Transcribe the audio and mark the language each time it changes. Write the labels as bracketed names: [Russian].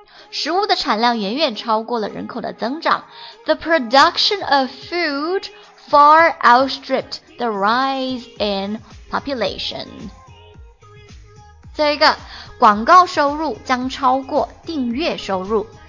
[Chinese] 食物的产量远远超过了人口的增长。 [English] The production of food far outstripped the rise in population. [Chinese] 最后一个，广告收入将超过订阅收入。